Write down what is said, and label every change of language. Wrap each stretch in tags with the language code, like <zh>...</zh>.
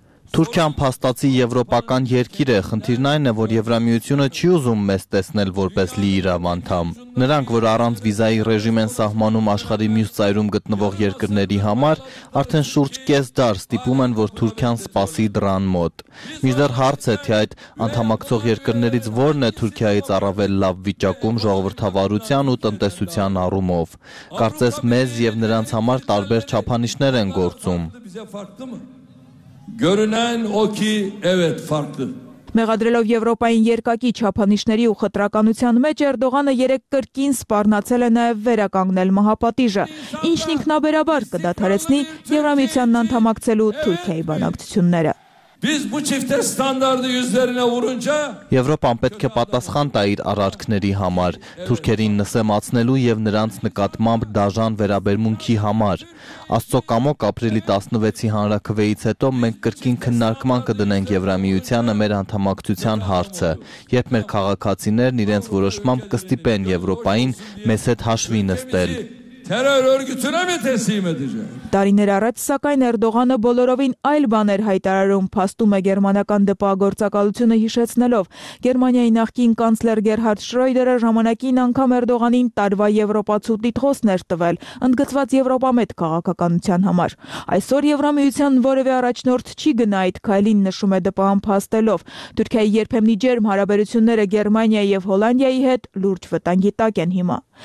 <hy>Թուրքիան փաստացի եվրոպական երկիր է, խնդիրն այն է, որ Եվրամիությունը չի ուզում մեզ տեսնել որպես լի իրավանդամ։ Նրանք, որ առանց վիզայի ռեժիմ են սահմանում աշխարհի մյուս ծայրում գտնվող երկրների համար, արդեն շուրջ կես դար ստիպում են, որ Թուրքիան սպասի դրան մոտ։ Միջդեռ հարց է, թե այդ անդամակցող երկրներից որն է Թուրքիայից առավել լավ վիճակում ժողովրդավարության ու տնտեսության առումով։ Կարծես մեզ և նրանց համար տարբեր չափանիշներ են գործում։</hy> <tr>Görünen o ki evet farklı.</tr> <hy>Մեղադրելով Եվրոպային երկակի չափանիշների ու խտրականության մեջ Էրդողանը 3 կրկին սպառնացել է նաև վերականգնել մահապատիժը, ինչն ինքնաբերաբար կդադարեցնի Եվրամիությանն անդամակցելու Թուրքիայի բանակցությունները։</hy> <tr>Biz bu çifte standardı yüzlerine vurunca</tr> <hy>Եվրոպան պետք է պատասխան տա իր առարկների համար, թուրքերին նսեմացնելու եւ նրանց նկատմամբ դաժան վերաբերմունքի համար։ Աստծո կամոք ապրիլի 16-ի հանրաքվեից հետո մենք կրկին քննարկման կդնենք Եվրամիությանը մեր անդամակցության հարցը, երբ մեր քաղաքացիներն իրենց որոշմամբ կստիպեն Եվրոպային մեզ հետ հաշվի նստել։</hy> <tr>terör örgütüne mi teslim edecek?</tr> <hy>Տարիներ առաջ, սակայն Էրդողանը բոլորովին այլ բաներ հայտարարում, փաստում է գերմանական դպագործակալությունը հիշեցնելով։ Գերմանիայի նախկին կանցլեր Գերհարդ Շրոյդերը ժամանակին անգամ Էրդողանին տարվա եվրոպացու դիտխոսն էր տվել, ընդգծված Եվրոպամետ քաղաքականության համար։ Այսօր Եվրամիության որևէ առաջնորդ չի գնա այդ քայլին, նշում է ԴՊԱ-ն փաստելով։ Թուրքիայի երբեմնի ջերմ հարաբերությունները Գերմանիայի և Հոլանդիայի հետ լուրջ վտանգի տակ են հիմա։</hy>